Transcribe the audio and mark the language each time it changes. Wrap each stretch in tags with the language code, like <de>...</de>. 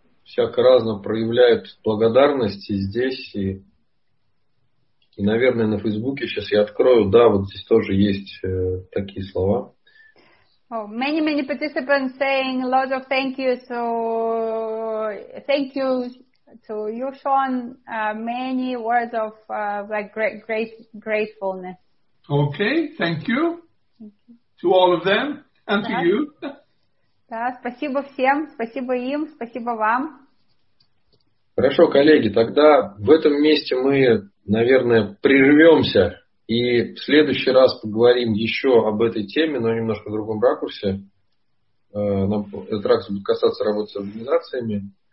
<ru>Всяко разно проявляют благодарность и здесь, и наверное, на Фейсбуке. Сейчас я открою. Да, вот здесь тоже есть такие слова.</ru> <en>Oh, many, many participants saying lots of thank you. So, thank you to you, Sean. Many words of gratefulness. Okay, thank you. Thank you. To all of them and to you.</en> <ru>Да, спасибо всем, спасибо им, спасибо вам. Хорошо, коллеги, тогда в этом месте мы, наверное, прервемся и в следующий раз поговорим еще об этой теме, но немножко в другом ракурсе. Этот ракурс будет касаться работы с организациями.</ru>